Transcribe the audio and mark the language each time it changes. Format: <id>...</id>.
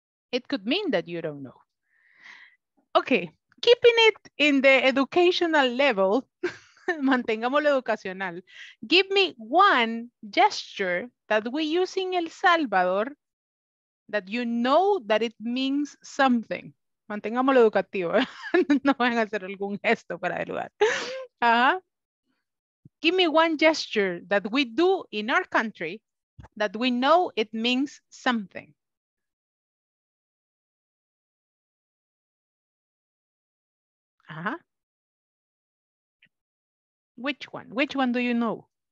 <en>It could mean that you don't know. Okay, keeping it in the educational level,</en> <es>mantengámoslo educacional.</es> <en>Give me one gesture that we use in El Salvador that you know that it means something.</en> <es>Mantengámoslo educativo. No van a hacer algún gesto para el lugar.</es> <en>Give me one gesture that we do in our country that we know it means something. Which one? Which one do you know?</en>